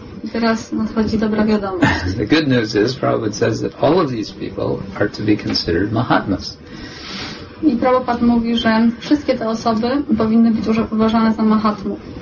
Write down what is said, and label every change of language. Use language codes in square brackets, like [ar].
[pl] I teraz nadchodzi dobra wiadomość. [en] The good news is, Prabhupada says that all of these people are to be considered mahatmas. [pl] I Prabhupada mówi, że wszystkie te osoby powinny być uważane za mahatmu.